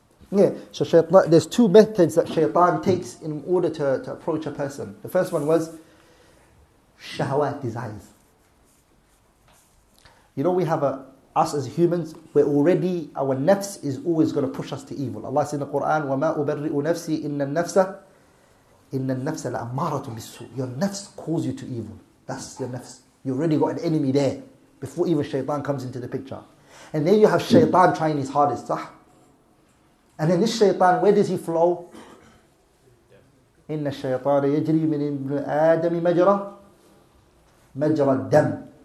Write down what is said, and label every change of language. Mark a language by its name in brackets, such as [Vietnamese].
[English] Yeah, so shaytan, there's two methods that shaytan takes in order to approach a person. The first one was shahwat, desires. You know, we have us as humans, we're already, our nafs is always going to push us to evil. [Arabic] Allah says in the Quran, وَمَا أُبَرِّئُ نَفْسِي إِنَّ النَّفْسَ لَأَمَّارَةٌ بِالسُّوءِ. [English] Your nafs calls you to evil. That's your nafs. You already got an enemy there before even shaytan comes into the picture. And then you have shaytan trying his hardest, صح? And then this shaytan, where does he flow? [Arabic] إِنَّ الشَّيْطَانَ يَجْرِي مِنْ آدَمِ مَجْرَى مَجْرَى الدَّمِ.